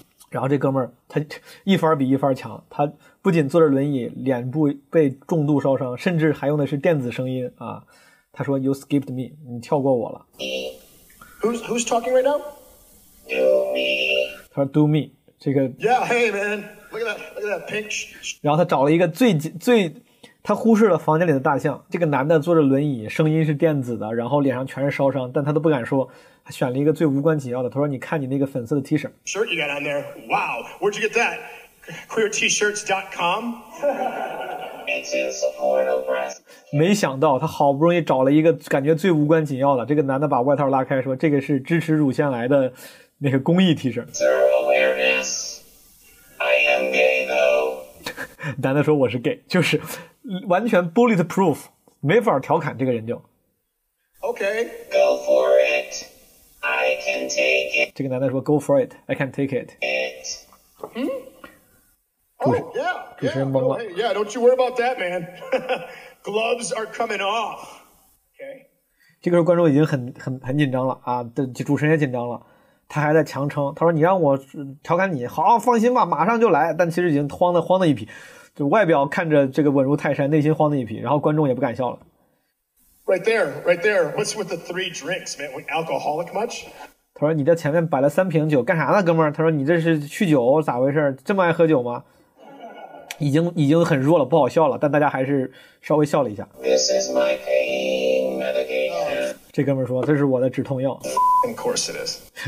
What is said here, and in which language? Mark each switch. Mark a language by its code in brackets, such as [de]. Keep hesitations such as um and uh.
[zh] 然后这哥们儿他一番比一番强，他不仅坐着轮椅，脸部被重度烧伤，甚至还用的是电子声音啊。他说： [en] “You skipped me， [zh] 你跳过我了。 [en] ” Who's Who's talking right now? Do me。 [zh] 他说： [en] “Do me。” [zh] 这个。 [en] Yeah, hey man, look at that, look at that pinch。 [zh] 然后他找了一个最最。他忽视了房间里的大象。这个男的坐着轮椅，声音是电子的，然后脸上全是烧伤，但他都不敢说。他选了一个最无关紧要的。他说：“你看你那个粉色的 T 恤。你 [en] ” Shirt you got on there? Wow. Where'd you get that? Queertshirts.com.、Uh, it's a [zh] p t r e s t 没想到他好不容易找了一个感觉最无关紧要的。这个男的把外套拉开，说：“这个是支持乳腺癌的那个公益 T 恤。 ” e [en] r awareness. I am gay though. [zh] 男的说：“我是 gay，就是。”完全 bulletproof，没法调侃这个人就。 [en] Okay, go for it, I can take it。 [zh] 这个男的说， [en] Go for it, I can take it。 [zh] 嗯？主持主持人懵了。 [en] Yeah, don't you worry about that man. Gloves are coming off. Okay。 [zh] 这个时候观众已经很很很紧张了啊，的主持人也紧张了，他还在强撑。他说你让我调侃你，好，放心吧，马上就来。但其实已经慌的慌的一批。就外表看着这个稳如泰山，内心慌的一批，然后观众也不敢笑了。 [en] Right there, right there. What's with the three drinks, man?、We、alcoholic much? [zh] 他说你在前面摆了三瓶酒，干啥呢，哥们儿？他说你这是酗酒，咋回事？这么爱喝酒吗？已经已经很弱了，不好笑了，但大家还是稍微笑了一下。 [en] This is my pain medication.、Oh. [zh] 这哥们儿说这是我的止痛药。 [en] Of course it is.